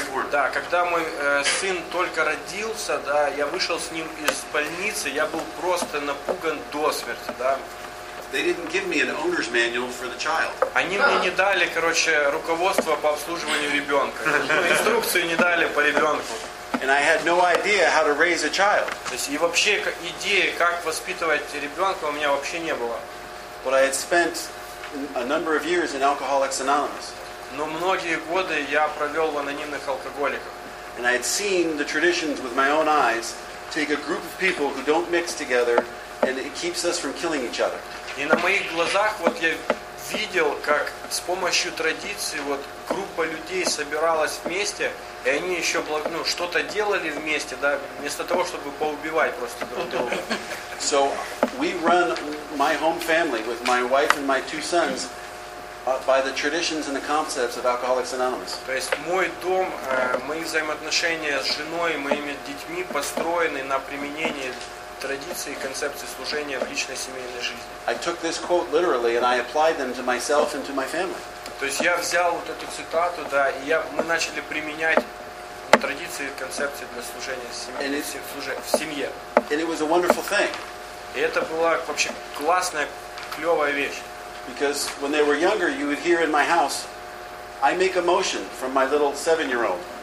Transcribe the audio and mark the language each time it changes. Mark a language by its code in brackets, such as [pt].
[ru] Да, когда мой сын только родился, да, я вышел с ним из больницы, я был просто напуган до смерти, да. [en] They didn't give me an owner's manual for the child. [ru] Они мне не дали, короче, руководство по обслуживанию ребенка. Инструкцию не дали по ребенку. [en] And I had no idea how to raise a child. [ru] То есть и вообще идеи, как воспитывать ребенка, у меня вообще не было. [en] But I had spent a number of years in Alcoholics Anonymous. [ru] Но многие годы я провел в анонимных алкоголиках. [en] And I had seen the traditions with my own eyes, take a group of people who don't mix together, and it keeps us from killing each other. [ru] И на моих глазах вот я видел, как с помощью традиции вот группа людей собиралась вместе, и они еще ну, что-то делали вместе, да, вместо того, чтобы поубивать просто друг друга. [en] So we run my home family with my wife and my two sons by the traditions and the concepts of Alcoholics Anonymous. [ru] То есть мой дом, мои взаимоотношения с женой и моими детьми построены на применении традиции и концепции служения в личной семейной жизни. [en] I took this quote literally and I applied them to myself and to my family. [ru] То есть я взял вот эту цитату, да, и я, мы начали применять традиции и концепции для служения в семье. [en] And it was a wonderful thing. [ru] И это была вообще классная, клевая вещь. [en] Because when they were younger, you would hear in my house, I make a motion from my little 7-year-old.